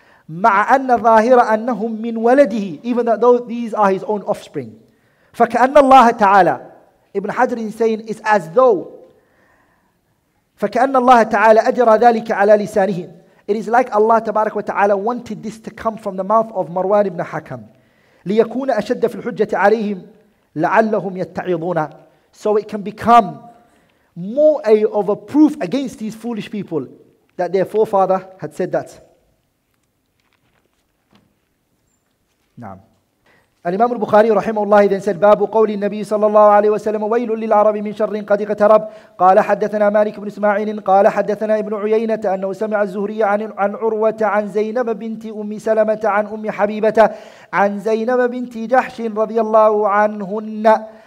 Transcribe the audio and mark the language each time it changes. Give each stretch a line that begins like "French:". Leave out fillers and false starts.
Arabic: Ma'a anna zahira annahum min waladihi.
English: Even though these are his own offspring.
Arabic: Faka'anna Allah ta'ala.
English: Ibn Hajar is saying, it's as though.
Arabic: Faka'anna Allah ta'ala ajra dhalika ala lisanihim.
English: It is like Allah tabarak wa ta'ala wanted this to come from the mouth of Marwan ibn Hakam.
Arabic: ليكون أشد في الحجة عليهم لعلهم يتعظون.
English: So it can become more of a proof against these foolish people that their forefather had said that.
Arabic: نعم. الإمام البخاري رحمه الله إذن
English: said,
Arabic: باب قول النبي صلى الله عليه وسلم ويل للعرب من شر قد اقترب. قال حدثنا مالك بن إسماعيل قال حدثنا ابن عيينة أنه سمع الزهري عن عروة عن زينب بنت أم سلمة عن أم حبيبة عن زينب بنت جحش رضي الله عنهن